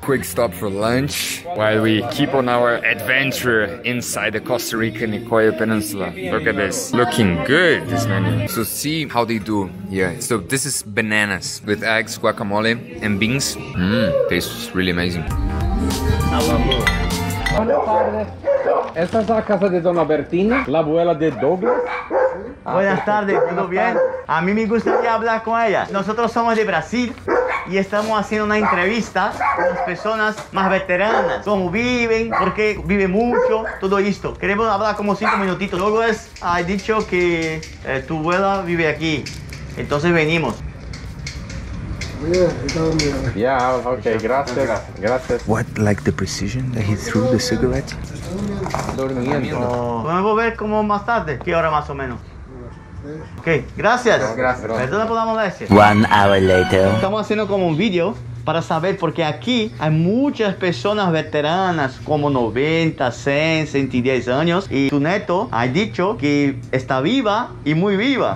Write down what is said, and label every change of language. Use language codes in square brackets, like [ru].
[en] Quick stop for lunch while we keep on our adventure inside the Costa Rican Nicoya Peninsula. Look at this. Looking good, this menu. So see how they do here. Yeah. So this is bananas with eggs, guacamole, and beans. Tastes really amazing. How [es] Buenas tardes. Esta es la casa de Dona Bertina, la abuela de Douglas. Buenas tardes, ¿todo bien? A mí me gustaría hablar con ella. Nosotros somos de Brasil y estamos haciendo una entrevista con las personas más veteranas. ¿Cómo viven? ¿Por qué viven mucho? Todo esto. Queremos hablar como 5 minutitos. Douglas ha dicho que tu abuela vive aquí. Entonces venimos. [en] Yeah, okay, gracias. What, like the precision that he threw the cigarette? [es] Durmiendo. Oh. Podemos ver como más tarde, qué hora más o menos. Ok, gracias. Gracias. Perdona por la molestia. [en] 1 hour later. [es] Estamos haciendo como un video para saber, porque aquí hay muchas personas veteranas como 90, 100, 110 años y tu neto ha dicho que está viva y muy viva.